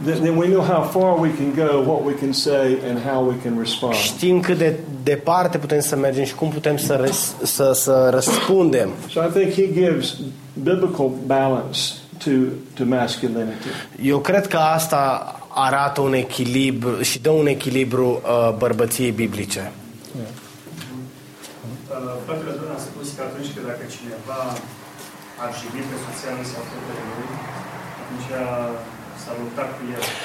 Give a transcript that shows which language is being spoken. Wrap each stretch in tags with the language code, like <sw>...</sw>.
<en>Then we know how far we can go, what we can say and how we can respond.</en> <ro>Știm cât de departe putem să mergem și cum putem să răspundem.</ro> <en>So I think he gives biblical balance to masculinity.</en> <ro>Eu cred că asta arată un echilibru și dă un echilibru bărbăției biblice. Petru Dona a spus că atunci când dacă cineva ar jigni pe soția lui sau pe lui, atunci s-a luptat cu el.</ro>